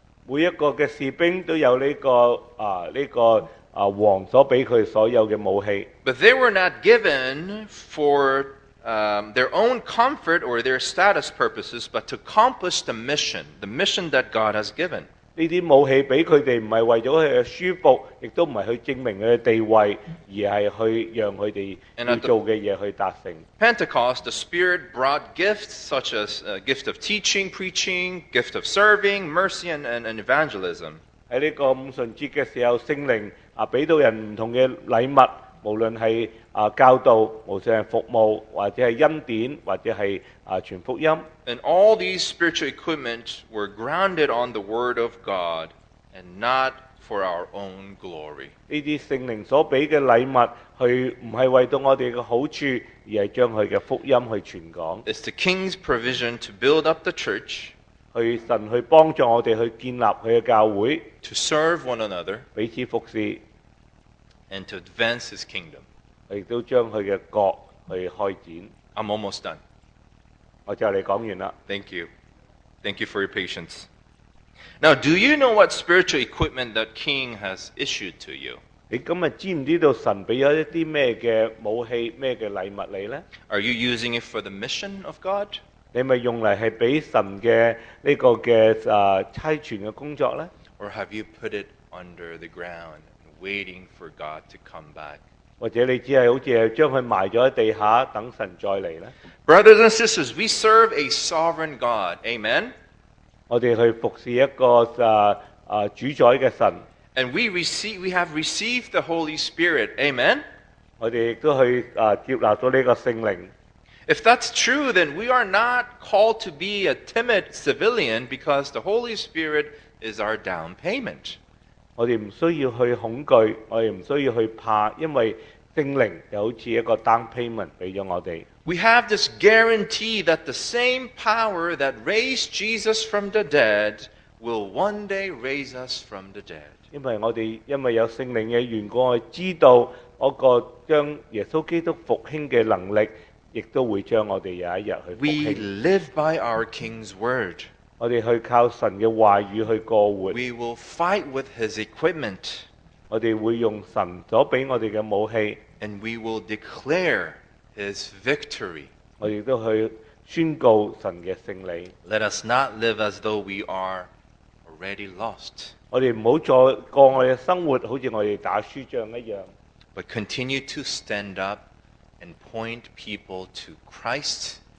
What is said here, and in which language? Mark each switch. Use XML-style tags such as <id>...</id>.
<zh>每一个的士兵都有这个王所给他所有的武器。</zh> <en>But they were not given for their own comfort or their status purposes, but to accomplish the mission that God has given.</en> <zh>这些武器给他们不是为了他们舒服，也不是去证明他们的地位，而是去让他们要做的事去达成。</zh> <en>Pentecost, the Spirit brought gifts such as a gift of teaching, preaching, gift of serving, mercy, and evangelism.</en> <zh>在这个五旬节的时候，圣灵给到人不同的礼物，无论是教导，无论是服务，或者是恩典，或者是传福音。</zh> <en>And all these spiritual equipment were grounded on the Word of God and not for our own glory.</en> <zh>这些圣灵所给的礼物，不是为了我们的好处，而是将他的福音去传讲。</zh> <en>It's the King's provision to build up the church.</en> <zh>神去帮助我们去建立他的教会。</zh> <en>To serve one another.</en> <zh>彼此服侍。</zh> <en>And to advance his kingdom.</en> <zh>亦都将他的国去开展。</zh> <en>I'm almost done.</en> <zh>我就来讲完了。</zh> <en>Thank you. Thank you for your patience. Now, do you know what spiritual equipment that king has issued to you?</en> <zh>你今天知不知道神给了一些什么的武器、什么的礼物你呢？</zh> <en>Are you using it for the mission of God?</en> <zh>你是用来是给神的这个的差传的工作呢？</zh> <en>Or have you put it under the ground? Waiting for God to come back.</en> <zh>或者你只是好像将它埋在地下，等神再来呢？</zh> <en>Brothers and sisters, we serve a sovereign God. Amen.</en> <zh>我们去服侍一个主宰的神。</zh> <en>And we have received the Holy Spirit. Amen.</en> <zh>我们也都去接纳了这个圣灵。</zh> <en>If that's true, then we are not called to be a timid civilian because the Holy Spirit is our down payment.</en> <zh>我们不需要去恐惧，我们不需要去怕，因为圣灵就好像一个 down payment 给了我们。</zh> <en>We have this guarantee that the same power that raised Jesus from the dead will one day raise us from the dead.</en> <zh>因为有圣灵的缘故，我知道那个将耶稣基督复兴的能力，亦都会将我们有一日去复兴。</zh> <en>We live by our King's word.</en> <zh>我们去靠神的话语去过活。</zh> <en>We will fight with his equipment.</en> <zh>我们会用神所给我们的武器。</zh> <en>And we will declare his victory.</en> <zh>我们都去宣告神的胜利。</zh> <en>Let us not live as though we are already lost.</en> <zh>我们不要再过我们的生活好像我们打输仗一样。</zh> <en>But continue to stand up and point people to Christ.</en>